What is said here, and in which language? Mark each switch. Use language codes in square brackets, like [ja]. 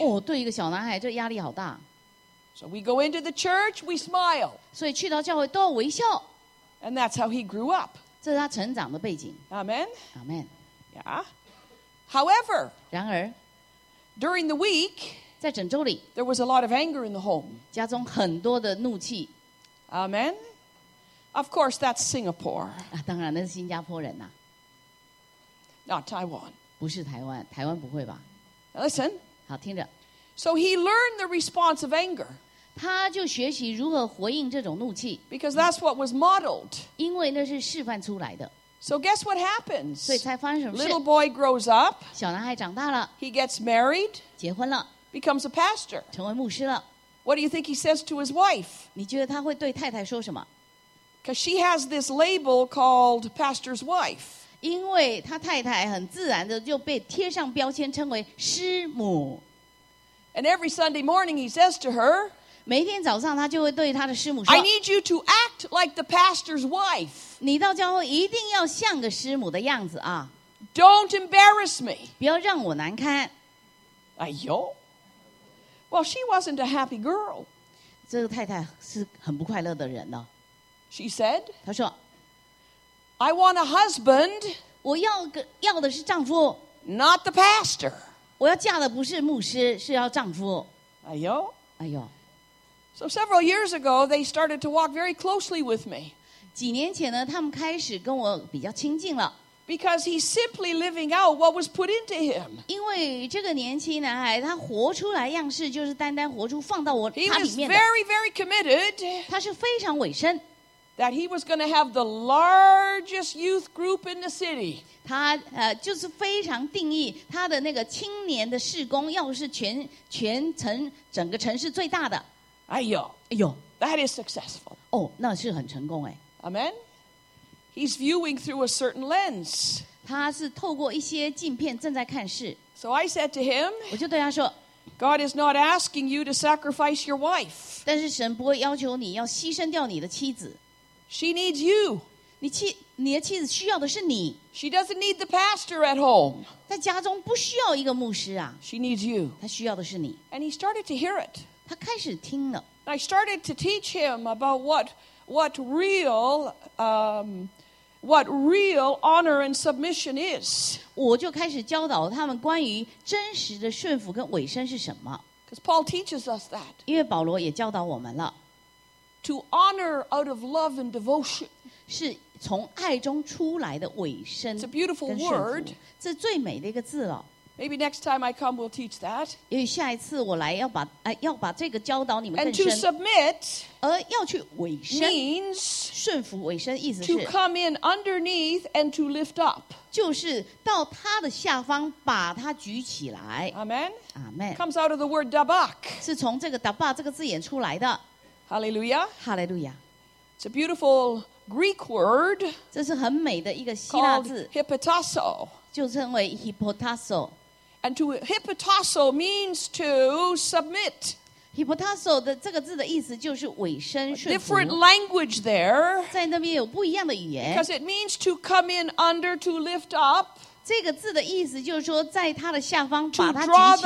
[zh] 哦，对一个小男孩，这压力好大。 [en] So we go into the church, we smile。 [zh] 所以去到教会都要微笑。 [en] And that's how he grew up。 [zh] 这是他成长的背景。 [en] Amen. Amen. Yeah. However, [zh] 然而 [en] ，during the week， [zh] 在整周里 [en] ，there was a lot of anger in the home。 [zh] 家中很多的怒气。 [en] Amen. Of course, that's Singapore. [zh] 啊，当然那是新加坡人呐。 [en] Not Taiwan. [zh] 不是台湾，台湾不会吧 [en] ？Listen. [zh] 好，听着。 [en] So he learned the response of anger. [zh] 他就学习如何回应这种怒气。 [en] Because that's what was modeled. [zh] 因为那是示范出来的。 [en] So guess what happens? [zh] 所以才发生什么事 [en] ？Little boy grows up. [zh] 小男孩长大了。 [en] He gets married. [zh] 结婚了。 [en] Becomes a pastor. [zh] 成为牧师了。 [en] What do you think he says to his wife? [zh] 你觉得他会对太太说什么？ [en] Because she has this label called pastor's wife. [zh] 因为他太太很自然的就被贴上标签，称为师母。 [en] And every Sunday morning, he says to her, [zh] 每天早上他就会对他的师母说 [en] ，I need you to act like the pastor's wife. [zh] 你到教会一定要像个师母的样子啊。 [en] Don't embarrass me. [zh] 不要让我难堪。 [en] 哎呦 ，Well, she wasn't a happy girl. [zh] 这个太太是很不快乐的人呢。 [en] She said, [zh] 她说 [en] I want a husband, [zh] 我要的是丈夫 [en] not the pastor. [zh] 我要嫁的不是牧师是要丈夫哎呦哎呦 [en] So several years ago, they started to walk very closely with me. [zh] 几年前呢他们开始跟我比较亲近了 [en] Because he's simply living out what was put into him. [zh] 因为这个年轻男孩他活出来样式就是单单活出放到我他里面的 [en] He was very, very committed. [zh] 他是非常委身 [en] That he was going to have the largest youth group in the city. [zh] 他就是非常定义他的那个青年的事工，要是全城整个城市最大的。哎呦，哎呦 [en] ，That is successful. [zh] 哦，那是很成功哎。 [en] Amen. He's viewing through a certain lens. [zh] 他是透过一些镜片正在看事。 [en] So I said to him, [zh] 我就对他说 [en] ，God is not asking you to sacrifice your wife. [zh] 但是神不会要求你要牺牲掉你的妻子。 [en] She needs you. [zh] 你的妻子需要的是你。 [en] She doesn't need the pastor at home. [zh] 在家中不需要一个牧师啊。 [en] She needs you. [zh] 她需要的是你。 [en] And he started to hear it. [zh] 他开始听了。 [en] I started to teach him about what real honor and submission is. [zh] 我就开始教导他们关于真实的顺服跟委身是什么。 [en] Because Paul teaches us that. [zh] 因为保罗也教导我们了。 [en] To honor out of love and devotion. [zh] 是从爱中出来的委身跟顺服。 [en] It's a beautiful word. [zh] 这是最美的一个字了。 [en] Maybe next time I come, we'll teach that. [zh] 因为下一次我来要把要把这个教导你们更 [en] 深。And to submit. [zh] 而要去委身。 [en] Means. [zh] 顺服委身意思是。 [en] To come in underneath and to lift up. [zh] 就是到他的下方把他举起来。 [en] Amen. Amen. Comes out of the word dabak. [zh] 是从这个 dabak 这个字眼出来的。 [en] Hallelujah. Hallelujah. It's a beautiful Greek word. [zh] 这是很美的一个希腊字。 [en] Hypotasso. [zh] 就称为 hypotasso. [en] And to hypotasso means to submit. [zh] Hypotasso 的这个字的意思就是委身顺服。 [en] Different language there. [zh] 在那边有不一样的语言。 [en] Because it means to come in under, to lift up. [zh] 这个字的意思就是说在它的下方把它举起来。